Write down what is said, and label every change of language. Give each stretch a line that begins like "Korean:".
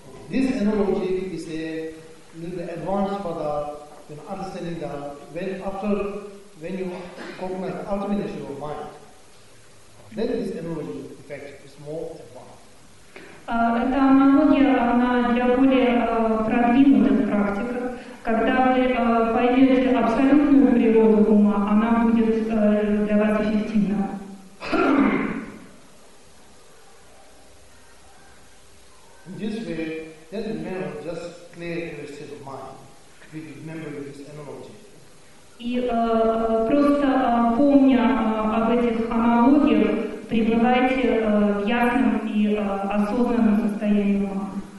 English: This analogy is a little advanced for the you know, understanding that when after when you cognize the ultimate issue of mind, then this analogy effect is more advanced.
Russian: Эта аналогия, она для более продвинутых практик. Когда вы поймете абсолютную природу ума, она будет для вас эффективна.
English: In this way, that memory just clear to your state of mind. We remember this analogy.
Russian: И просто помня об этих аналогиях, пребывайте в ясном и осознанном состоянии ума.